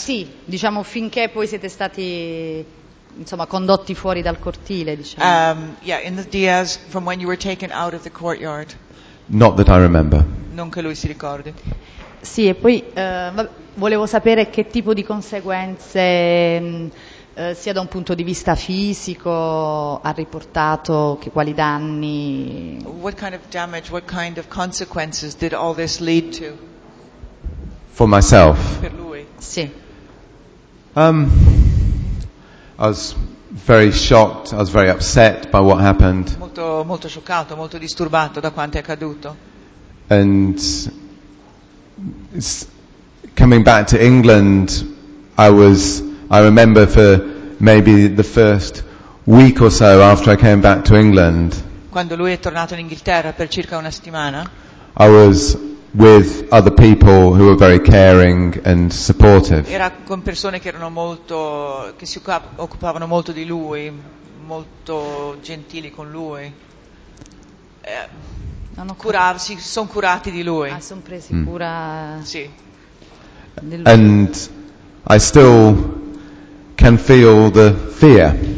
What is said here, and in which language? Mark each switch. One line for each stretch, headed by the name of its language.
Italian: Sì, diciamo finché poi siete stati, insomma, condotti fuori dal cortile, diciamo.
English: In the Diaz, from when you were taken out of the courtyard. Not that I remember.
Italian: Non che lui si ricordi. Sì, e poi volevo sapere che tipo di conseguenze sia da un punto di vista fisico ha riportato, che quali danni.
English: What kind of damage, what kind of consequences did all this lead to? For myself.
Italian: Per lui. Sì.
English: I was very shocked, I was very upset by what happened.
Italian: Molto, molto scioccato, molto disturbato da quanto è accaduto.
English: And coming back to England, I remember for maybe the first week or so after I came back to England.
Italian: Quando lui è tornato in Inghilterra per circa una settimana.
English: I was with other people who were very caring and supportive.
Italian: Era con persone che erano molto, che si occupavano molto di lui, molto gentili con lui. Sono curati di lui. Ah, sono presi cura. Sì.
English: And I still can feel the fear.